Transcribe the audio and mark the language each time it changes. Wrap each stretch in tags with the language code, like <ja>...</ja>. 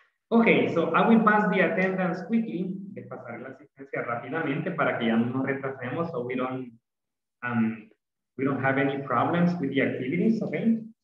<en>Okay, so I will pass the attendance quickly.</en> <es>De pasar la asistencia rápidamente para que ya no nos retrasemos.</es> <en>So we don't... We don't have any problems with the activities, okay?</en>